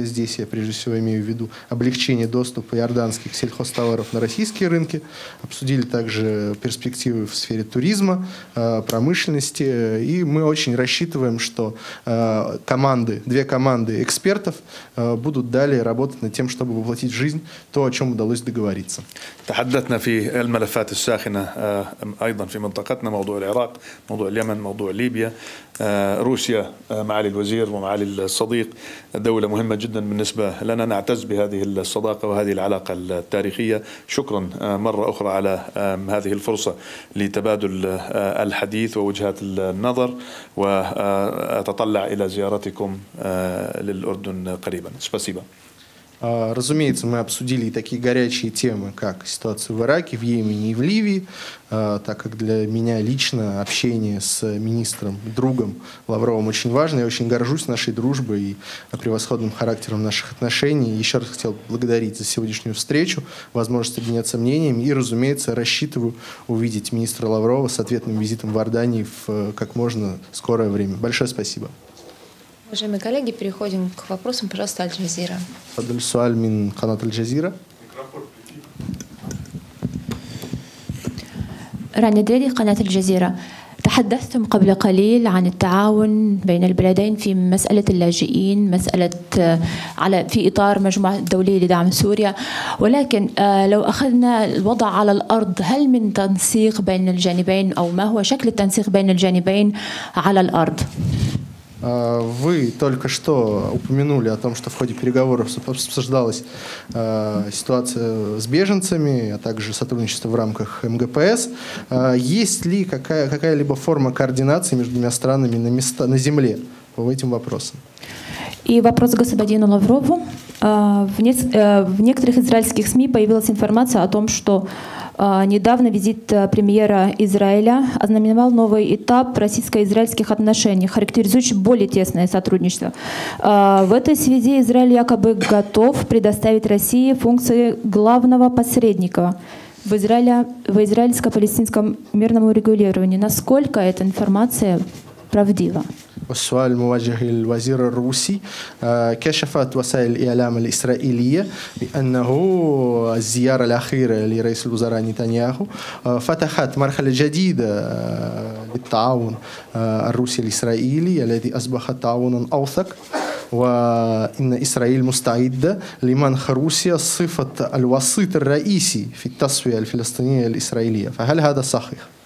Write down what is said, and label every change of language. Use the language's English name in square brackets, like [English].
[Russian] Здесь я, прежде всего, имею в виду облегчение доступа иорданских сельхозтоваров на российские рынки. Обсудили также перспективы в сфере туризма, промышленности. И мы очень рассчитываем, что две команды экспертов будут далее работать над тем, чтобы воплотить в жизнь то, о чем удалось удалось договориться. [Arabic] تحدثنا في الملفات الساخنة أيضا في منطقتنا موضوع العراق موضوع اليمن موضوع ليبيا روسيا معالي الوزير ومعالي الصديق دولة مهمة جدا بالنسبة لنا نعتز بهذه الصداقة وهذه العلاقة التاريخية شكرا مرة أخرى على هذه الفرصة لتبادل الحديث ووجهات النظر وأتطلع إلى زيارتكم للأردن قريبا شكرا [Russian] Разумеется, мы обсудили и такие горячие темы, как ситуация в Ираке, в Йемене и в Ливии, так как для меня лично общение с министром, другом Лавровым очень важно. Я очень горжусь нашей дружбой и превосходным характером наших отношений. Еще раз хотел поблагодарить за сегодняшнюю встречу, возможность обменяться мнениями и, разумеется, рассчитываю увидеть министра Лаврова с ответным визитом в Иордании в как можно скорое время. Большое спасибо. Уважаемые коллеги, переходим к вопросам, пожалуйста, Аль-Джазира. [Arabic] Адель Суаль мин канат Аль-Джазира. Рани Дреди, канат Аль-Джазира. تحدثتم قبل قليل عن التعاون بين البلدين في مسألة اللاجئين مسألة على في إطار مجموعة دولية لدعم سوريا ولكن لو أخذنا الوضع على الأرض هل من تنسيق بين الجانبين أو ما هو شكل التنسيق بين الجانبين على الأرض؟ [Russian] Вы только что упомянули о том, что в ходе переговоров обсуждалась ситуация с беженцами, а также сотрудничество в рамках МГПС. Есть ли какая-либо форма координации между двумя странами на земле по этим вопросам? И вопрос к господину Лаврову. В некоторых израильских СМИ появилась информация о том, что недавно визит премьера Израиля ознаменовал новый этап российско-израильских отношений, характеризующий более тесное сотрудничество. В этой связи Израиль якобы готов предоставить России функции главного посредника в Израиле, в израильско-палестинском мирном урегулировании. Насколько эта информация правдива? [Arabic] السؤال موجه للوزير الروسي كشفت وسائل الإعلام الإسرائيلية بأنه الزيارة الأخيرة لرئيس الوزراء نتنياهو فتحت مرحلة جديدة للتعاون الروسي الإسرائيلي الذي أصبح تعاونا أوثق وإن إسرائيل مستعدة لمنح روسيا صفة الوسيط الرئيسي في التسوية الفلسطينية الإسرائيلية فهل هذا صحيح؟